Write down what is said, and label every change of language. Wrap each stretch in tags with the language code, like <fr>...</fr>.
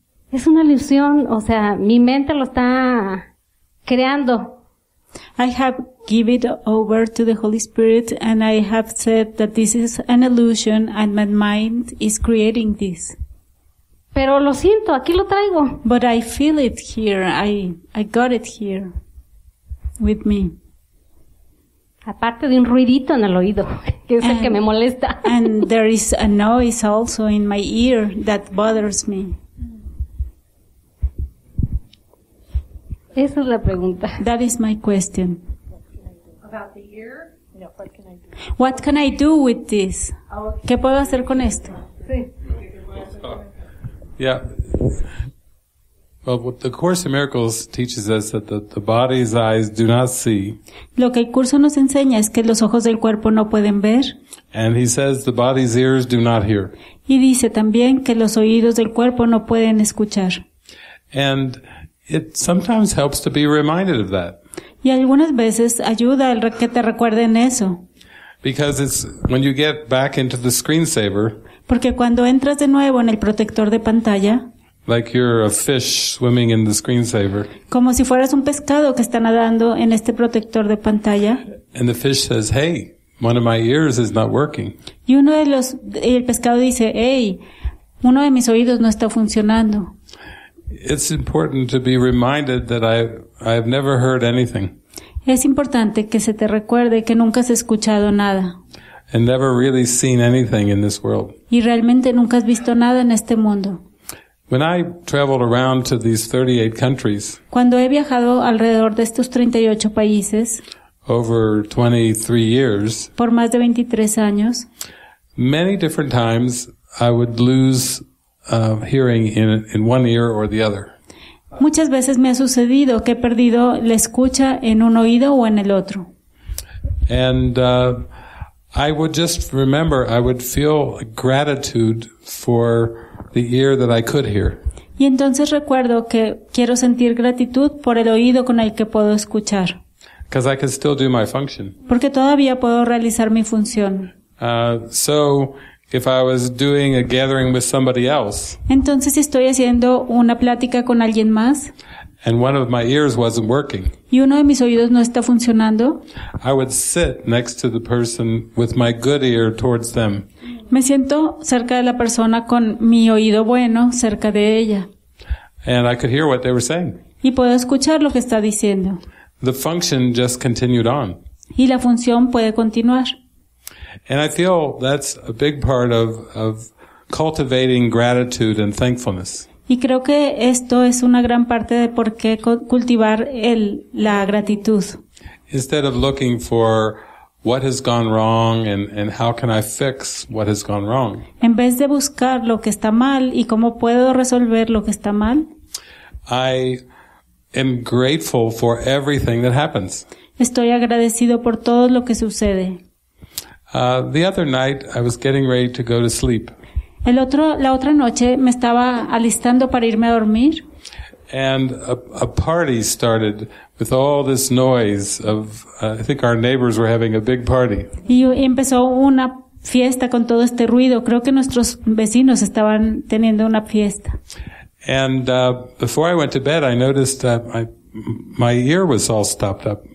<es>Es una ilusión, o sea, mi mente lo está creando.</es> <en>I have given it over to the Holy Spirit and I have said that this is an illusion and my mind is creating this.</en> <es>Pero lo siento, aquí lo traigo.</es> <en>But I feel it here, I got it here with me.</en> <es>Aparte de un ruidito en el oído, que es el que me molesta.</es> <en>And there is a noise also in my ear that bothers me.</en> <es>Esa es la pregunta.</es> <en>That is my question. About the ear? No, what can I do? What can I do with this?</en> <es>¿Qué puedo hacer con esto? Sí. Yeah.</es> <en>Well, what the Course in Miracles teaches us that the body's eyes do not see.</en> <es>Lo que el curso nos enseña es que los ojos del cuerpo no pueden ver.</es> <en>And he says the body's ears do not hear.</en> <es>Y dice también que los oídos del cuerpo no pueden escuchar.</es> <en>And it sometimes helps to be reminded of that.</en> <es>Y algunas veces ayuda el que te recuerden eso.</es> <en>Because it's when you get back into the screensaver.</en> <es>Porque cuando entras de nuevo en el protector de pantalla.</es> <en>Like you're a fish swimming in the screensaver.</en> <es>Como si fueras un pescado que está nadando en este protector de pantalla.</es> <en>And the fish says, "Hey, one of my ears is not working."</en> <es>Y uno de los el pescado dice, "Hey, uno de mis oídos no está funcionando."</es> <en>It's important to be reminded that I've never heard anything.</en> <es>Es importante que se te recuerde que nunca has escuchado nada.</es> <en>And never really seen anything in this world.</en> <es>Y realmente nunca has visto nada en este mundo.</es> <en>When I traveled around to these 38 countries,</en> <es>cuando he viajado alrededor de estos 38 países,</es> <en>over 23 years,</en> <es>por más de 23 años,</es> <en>many different times I would lose hearing in one ear or the other.</en> <es>Muchas veces me ha sucedido que he perdido la escucha en un oído o en el otro.</es> <en>And I would just remember, I would feel gratitude for the ear that I could hear.</en> <es>Y entonces recuerdo que quiero sentir gratitud por el oído con el que puedo escuchar.</es> <en>Because I can still do my function.</en> <es>Porque todavía puedo realizar mi función.</es> <en>So if I was doing a gathering with somebody else.</en> <es>Entonces estoy haciendo una plática con alguien más.</es> <en>And one of my ears wasn't working.</en> <es>Y uno de mis oídos no está funcionando.</es> <en>I would sit next to the person with my good ear towards them.</en> <es>Me siento cerca de la persona con mi oído bueno cerca de ella.</es> <en>And I could hear what they were saying.</en> <es>Y puedo escuchar lo que está diciendo.</es> <en>The function just continued on.</en> <es>Y la función puede continuar.</es> <en>And I feel that's a big part of cultivating gratitude and thankfulness.</en> <es>Y creo que esto es una gran parte de por qué cultivar la gratitud.</es> <en>Instead of looking for what has gone wrong and how can I fix what has gone wrong.</en> <es>En vez de buscar lo que está mal y cómo puedo resolver lo que está mal.</es> <en>I am grateful for everything that happens.</en> <es>Estoy agradecido por todo lo que sucede.</es> <en>The other night I was getting ready to go to sleep.</en> <es>La otra noche me estaba alistando para irme a dormir.</es> <en>And a party started with all this noise of I think our neighbors were having a big party.</en> <es>Y empezó una fiesta con todo este ruido. Creo que nuestros vecinos estaban teniendo una fiesta.</es> <en>And before I went to bed I noticed that my ear was all stopped up.</en>